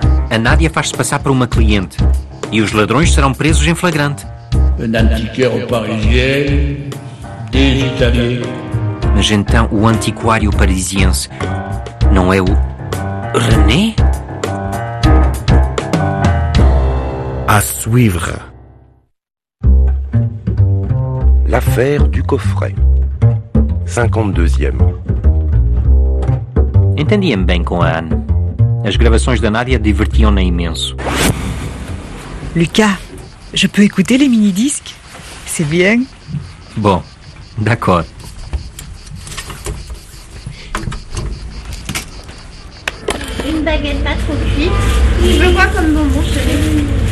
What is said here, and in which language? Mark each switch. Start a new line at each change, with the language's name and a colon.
Portuguese: A Nadia faz-se passar por uma cliente. E os ladrões serão presos em flagrante.
French: Un antiqueur parisien, des Italiens.
Portuguese: Mas então o antiquário parisiense não é o René?
French: À suivre. L'affaire du coffret. 52e.
Portuguese: Entendia-me bem com a Anne. As gravações da Nadia divertiam-na imenso.
French: Lucas, je peux écouter les mini-disques? C'est bien? Bon, d'accord. Une baguette pas trop cuite. Je le vois comme bonbon, chérie.